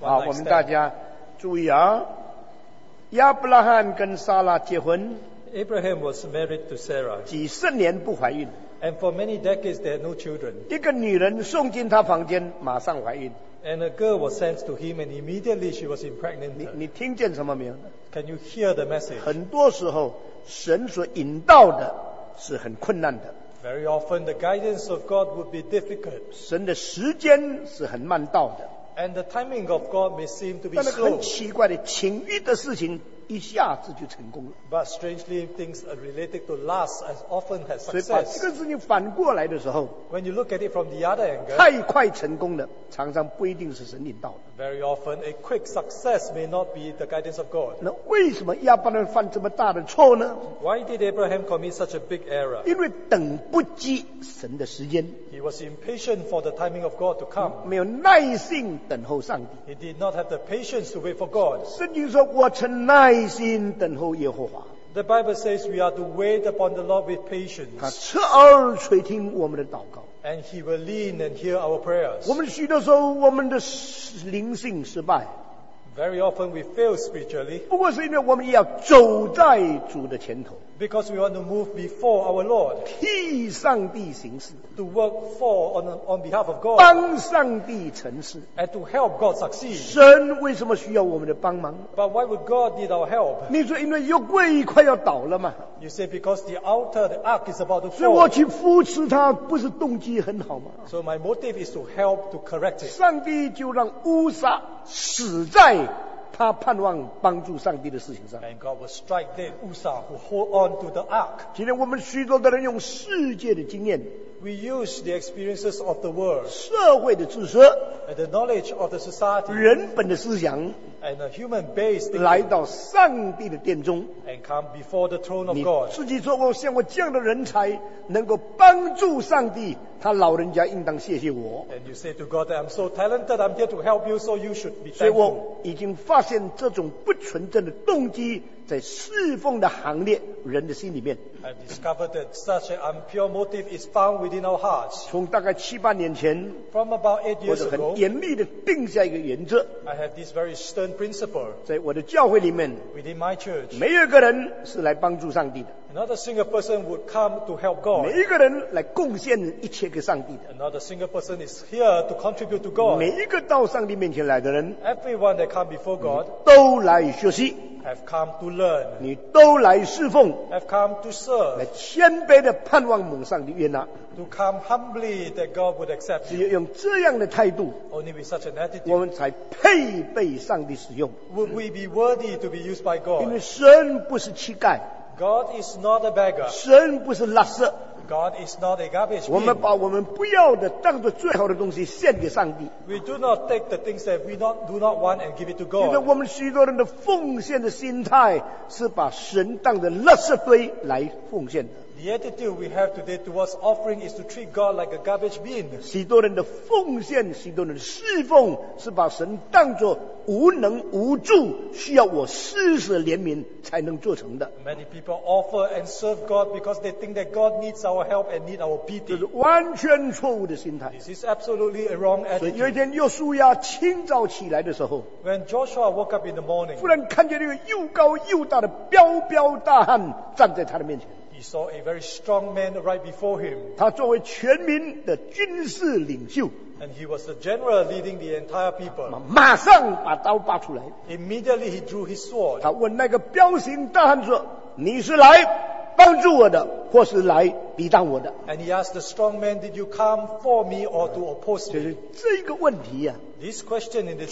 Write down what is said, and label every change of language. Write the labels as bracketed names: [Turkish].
[Chinese] stand。 好，我们大家注意啊！亚伯拉罕跟撒拉结婚。 [English] Abraham was married to Sarah。 [Chinese] 几十年不怀孕。 [English] And for many decades, there are no children. [Chinese] 一个女人送进他房间，马上怀孕。 [English] And a girl was sent to him, and immediately she was impregnant. [Chinese] 你听见什么没有 [English] ？Can you hear the message? [Chinese] 很多时候，神所引导的是很困难的。 [English] Very often, the guidance of God would be difficult. [Chinese] 神的时间是很慢到的。 [English] And the timing of God may seem to be slow. [Chinese] 但那个很奇怪的情欲的事情。一下子就成功了。 [English] But strangely, things related to lust as often has success. [Chinese] 所以把这个事情反过来的时候 [English] ，When you look at it from the other angle, [Chinese] 太快成功的常常不一定是神引导的。 [English] Very often, a quick success may not be the guidance of God. [Chinese] 那为什么亚伯拉罕犯这么大的错呢 [English] ？Why did Abraham commit such a big error? [Chinese] 因为等不及神的时间。 [English] He was impatient for the timing of God to come. [Chinese] 没有耐心等候上帝。 [English] He did not have the patience to wait for God. [Chinese] 圣经说，我曾耐。耐心等候耶和华。 [English] The Bible says we are to wait upon the Lord with patience. [Chinese] 他侧耳垂听我们的祷告。 [English] And he will lean and hear our prayers. [Chinese] 我们许多时候我们的灵性失败。 [English] Very often we fail spiritually. [Chinese] 不过是因为我们要走在主的前头。 [English] Because we want to move before our Lord. [Chinese] 替上帝行事。 [English] To work for on behalf of God. [Chinese] 帮上帝成事。 [English] And to help God succeed. [Chinese] 神为什么需要我们的帮忙 [English] ？But why would God need our help? [Chinese] 你说因为有柜快要倒了嘛 [English] ？You say because the ark is about to fall. [Chinese] 所以我去扶持他，不是动机很好吗 [English] ？So my motive is to help to correct it. [Chinese] 上帝就让乌撒死在。他盼望帮助上帝的事情上。 [English] And God will strike that Usa who hold on to the ark. [Chinese] 今天我们许多的人用世界的经验。 [English] We use the experiences of the world. [Chinese] 社会的知识。 [English] And the knowledge of the society. [Chinese] 人本的思想。 [English] And a human base. [Chinese] 来到上帝的殿中。 [English] And come before the throne of God. [Chinese] 你自己说我像我这样的人才能够帮助上帝。他老人家应当谢谢我。 [English] And you say to God, I'm so talented, I'm here to help you, so you should be thankful. [Chinese] 所以我已经发现这种不纯正的动机在侍奉的行列人的心里面。 [English] I discovered that such an impure motive is found within our hearts. [Chinese] 从大概七八年前 [English] ,from about 8 years ago, [Chinese] 我很严密地定下一个原则。 [English] I have this very stern principle. [Chinese] 在我的教会里面 [English] ,within my church, [Chinese] 没有一个人是来帮助上帝的。 [English] Not a single person would come to help God. [Chinese] 每一个人来贡献一切给上帝的。 [English] Not a single person is here to contribute to God. [Chinese] 每一个到上帝面前来的人 [English] ，Everyone that come before God, [Chinese] 都来学习 [English] ，have come to learn. [Chinese] 你都来侍奉 [English] ，have come to serve. [Chinese] 来谦卑的盼望蒙上帝悦纳 [English] ，to come humbly that God would accept. [Chinese] 只有用这样的态度 [English] ，only with such an attitude, [Chinese] 我们才配被上帝使用 [English] ，would we be worthy to be used by God? [Chinese] 因为神不是乞丐。 [English] God is not a beggar. [Chinese] 神不是垃圾。 [English] God is not a garbage bin. [Chinese] 我们把我们不要的当作最好的东西献给上帝。 [English] We do not take the things that we do not want and give it to God. [Chinese] 因为我们许多人的奉献的心态是把神当作垃圾堆来奉献的。 [English] The attitude we have today towards offering is to treat God like a garbage bin. [Chinese] 许多人的奉献，许多人的侍奉是把神当作无能无助需要我施舍怜悯才能做成的 [English] Many people offer and serve God because they think that God needs our help and need our pity [Chinese] 这是完全错误的心态 [English] This is absolutely a wrong attitude [Chinese] 所以有一天约书亚清早起来的时候 [English] When Joshua woke up in the morning [Chinese] 忽然看见那个又高又大的彪彪大汉站在他的面前 [English] He saw a very strong man right before him [Chinese] 他作为全民的军事领袖 [English] And he was the general leading the entire people. [Chinese] 马上把刀拔出来。 [English] Immediately he drew his sword. [Chinese] 他问那个彪形大汉说：“你是来帮助我的，或是来抵挡我的 [English] ？”And he asked the strong man, "Did you come for me or to oppose me?" [Chinese] 就是这个问题呀、啊。 [English] This question in itself